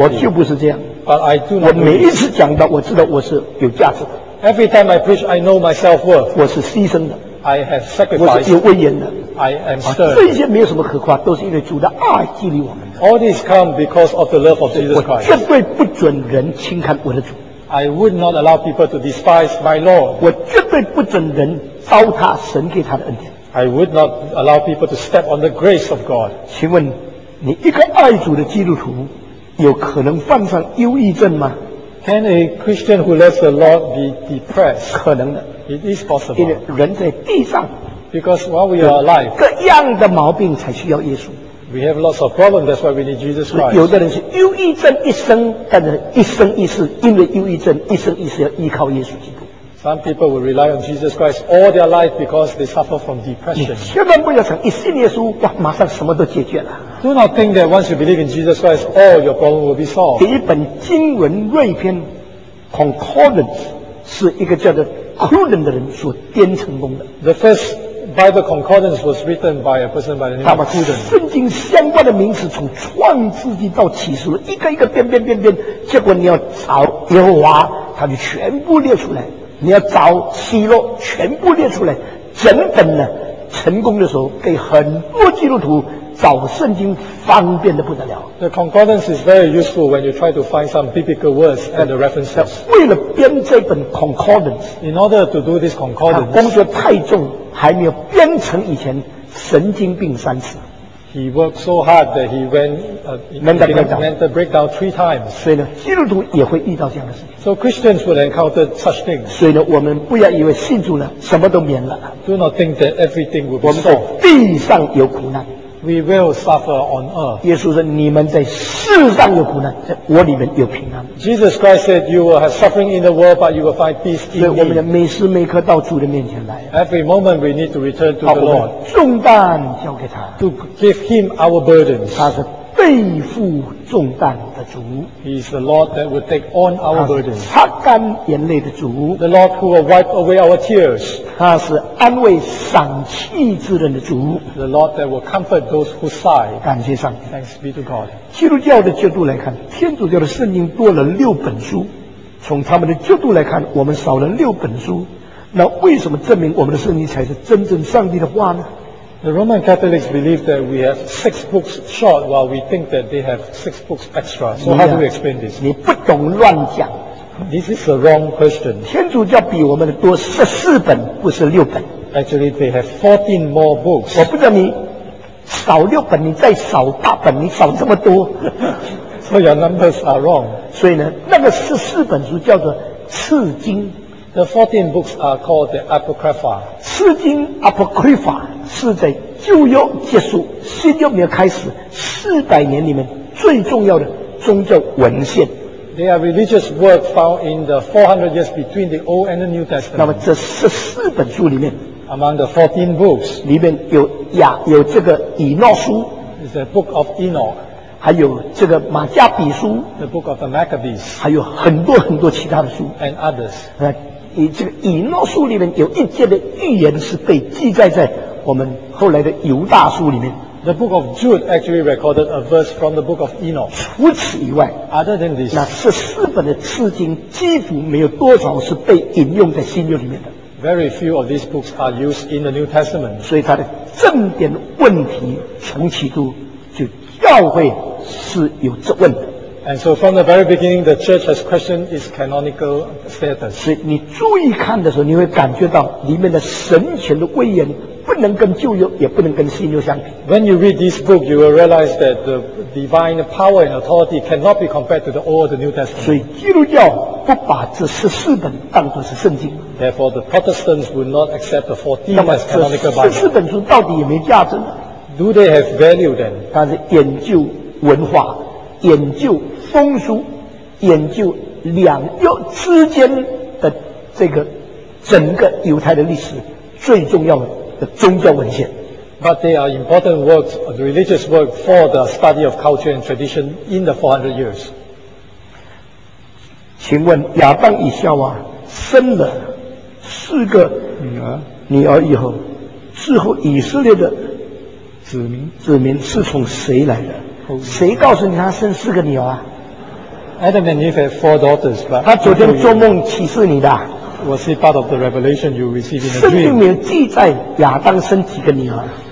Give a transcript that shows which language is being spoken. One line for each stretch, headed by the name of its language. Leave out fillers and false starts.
Chinese: 我就不是这样。
English: But I do not.
Chinese: 我每一次讲到，我知道我是有价值的。
English: Every time I preach, I know my self worth.
Chinese: 我是牺牲的。
English: I have sacrificed.
Chinese: 我是有威严的。
English: I am stirred.
Chinese: 这些没有什么可夸，都是因为主的爱激励我们的。
English: All this come because of the love of Jesus Christ.
Chinese: 我绝对不准人轻看我的主。
English: I would not allow people to despise my Lord.
Chinese: 我绝对不准人糟蹋神给他的恩典。
English: I would not allow people to step on the grace of God.
Chinese: 请问，你一个爱主的基督徒，有可能患上忧郁症吗？
English: Can a Christian who loves the Lord be depressed?
Chinese: 可能的。
English: It is possible.
Chinese: 因为人在地上，
English: because while we are alive,
Chinese: 各样的毛病才需要耶稣。
English: We have lots of problems, that's why we need Jesus Christ.
Chinese: 有的人是忧郁症一生，但是一生一世，因为忧郁症一生一世要依靠耶稣基督。
English: Some people will rely on Jesus Christ all their life because they suffer from depression.
Chinese: 你千万不要想一信耶稣，哇，马上什么都解决了。
English: Do not think that once you believe in Jesus Christ, all your problems will be solved.
Chinese: 第一本经文锐篇 Concordance 是一个叫做 Cruden 的人所编成功的。
English: The first Bible Concordance was written by a person by the name of Cruden.
Chinese: 他把圣经相关的名词从创世纪到启示录一个一个编编编编，结果你要找耶和华，他就全部列出来。你要找希洛全部列出来整本呢，成功的时候给很多基督徒找圣经方便的不得了。
English: The concordance is very useful when you try to find some biblical words and the references.
Chinese: 为了编这本 concordance,
English: in order to do this concordance,
Chinese: 他工作太重，还没有编成以前神经病三次。
English: He worked so hard that he went mental breakdown three times.
Chinese: 所以呢，基督徒也会遇到这样的事情。
English: So Christians will encounter such things.
Chinese: 所以呢，我们不要以为信主了什么都免了。
English: Do not think that everything will be solved.
Chinese: 我们地上有苦难。
English: We will suffer on earth.
Chinese: 耶稣说，你们在世上有苦难，在我里面有平安。
English: Jesus Christ said, "You will have suffering in the world, but you will find peace in me."
Chinese: 所以我们每时每刻到主的面前来。
English: Every moment we need to return to the Lord.
Chinese: 重担交给他。
English: To give Him our burdens.
Chinese: 他是背负重担的主。
English: He is the Lord that will take on our burdens.
Chinese: 擦干眼泪的主。
English: The Lord who will wipe away our tears.
Chinese: 他是安慰丧气之人的主。
English: The Lord that will comfort those who sigh.
Chinese: 感谢上帝。
English: Thanks be to God.
Chinese: 基督教的角度来看，天主教的圣经多了六本书。从他们的角度来看，我们少了六本书。那为什么证明我们的圣经才是真正上帝的话呢？
English: The Roman Catholics believe that we have six books short, while we think that they have six books extra. So how do we explain this?
Chinese: 你不懂乱讲。
English: This is a wrong question.
Chinese: 天主教比我们的多14本，不是六本。
English: Actually, they have 14 more books.
Chinese: 我不知道你少六本，你再少八本，你少这么多。
English: So your numbers are wrong.
Chinese: 所以呢，那个14本书叫做次经。
English: The 14 books are called the Apocrypha.
Chinese: 次经 Apocrypha 是在旧约结束、新约没有开始400年里面最重要的宗教文献。
English: They are religious works found in the 400 years between the Old and the New Testament.
Chinese: 那么这14本书里面
English: ，Among the 14 books，
Chinese: 里面有亚有这个以诺书
English: ，is the Book of Enoch，
Chinese: 还有这个马加比书
English: ，the Book of the Maccabees，
Chinese: 还有很多很多其他的书
English: ，and others。
Chinese: 以这个以诺书里面有一节的预言是被记载在我们后来的犹大书里面。
English: The book of Jude actually recorded a verse from the book of Enoch.
Chinese: 除此以外
English: ，other than this，
Chinese: 那14本的次经几乎没有多少是被引用在新约里面的。
English: Very few of these books are used in the New Testament.
Chinese: 所以它的正点问题从起初就教会是有质问的。
English: And so from the very beginning, the church has questioned its canonical status.
Chinese: 所以你注意看的时候，你会感觉到里面的神权的威严不能跟旧约，也不能跟新约相比。
English: When you read this book, you will realize that the divine power and authority cannot be compared to the Old or the New Testament.
Chinese: 所以基督教不把这14本当作是圣经。
English: Therefore, the Protestants would not accept the 14 as canonical Bible.
Chinese: 那么这14本书到底有没有价值呢？
English: Do they have value then?
Chinese: 它是研究文化。研究风俗，研究两犹之间的这个整个犹太的历史最重要的宗教文献。
English: But they are important works, religious works, for the study of culture and tradition in the 400 years.
Chinese: 请问亚当以夏娃生了四个女儿以后，之后以色列的子民是从谁来的？谁告诉你他生四个女儿啊？
English: Adam and Eve have four daughters, but
Chinese: 他昨天做梦启示你的。
English: Was it part of the revelation you received in the dream?
Chinese: 圣经里面记载亚当生几个女儿。